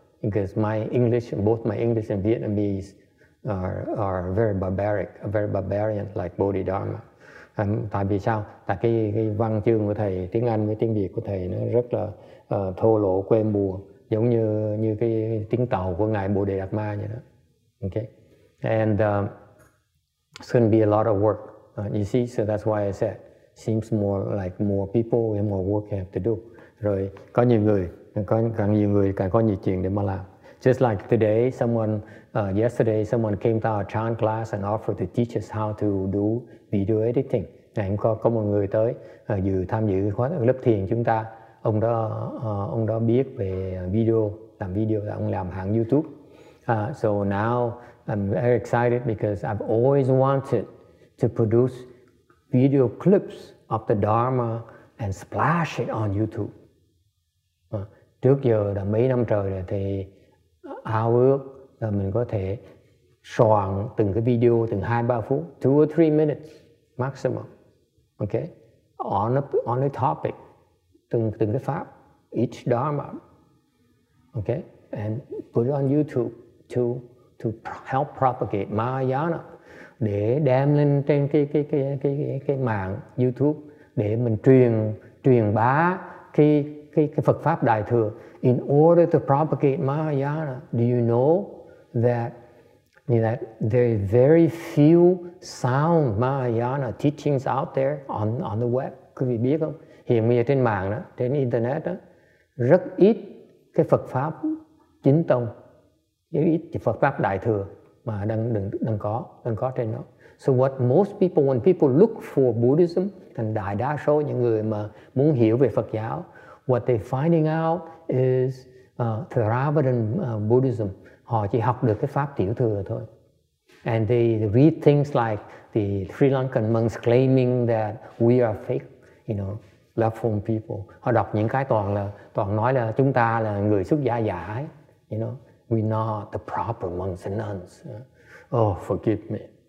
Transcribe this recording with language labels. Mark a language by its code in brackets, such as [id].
[en] Because my English, both my English and Vietnamese are very barbaric, very barbarian, like Bodhidharma. [vi] Tại vì sao? Tại cái văn chương của thầy, tiếng Anh với tiếng Việt của thầy nó rất là thô lỗ, quê mùa, giống như như cái tiếng tàu của ngài Bồ Đề Đạt Ma vậy đó. [en] Okay. And it's going to be a lot of work. You see, so that's why I said seems more like more people and more work you have to do. [vi] Rồi có nhiều người, càng nhiều người càng có nhiều chuyện để mà làm. [en] Just like today, yesterday, someone came to our chant class and offered to teach us how to do video editing. [vi] Ngày hôm qua có một người tới dự tham dự khóa lớp thiền chúng ta. Ông đó biết về video, làm video, ông làm hàng YouTube. [en] So now I'm very excited because I've always wanted to produce video clips of the Dharma and splash it on YouTube. [vi] Trước giờ là mấy năm trời rồi thì ao ước là mình có thể soạn từng cái video từng 2-3 phút, [en] 2 or 3 minutes maximum, okay? On a topic, [vi] từng cái pháp, [en] each dharma, okay? And put it on YouTube to help propagate Mahayana, [vi] để đem lên trên cái mạng YouTube để mình truyền bá cái Phật pháp đại thừa. [en] In order to propagate Mahayana, do you know that there are very few sound Mahayana teachings out there on the web? [vi] Quý vị biết không? Hiện bây giờ trên mạng đó, trên internet đó, rất ít cái Phật pháp chính tông, rất ít cái Phật pháp đại thừa mà đang có trên đó. [en] So what most people, when people look for Buddhism, [vi] thành đại đa số những người mà muốn hiểu về Phật giáo, [en] what they finding out is Theravada Buddhism. [vi] Họ chỉ học được cái pháp tiểu thừa thôi. [en] And they read things like the Sri Lankan monks claiming that we are fake, you know, left home people. [vi] Họ đọc những cái toàn nói là chúng ta là người xuất gia giả, [en] you know, we not the proper monks and nuns. Oh, forgive me.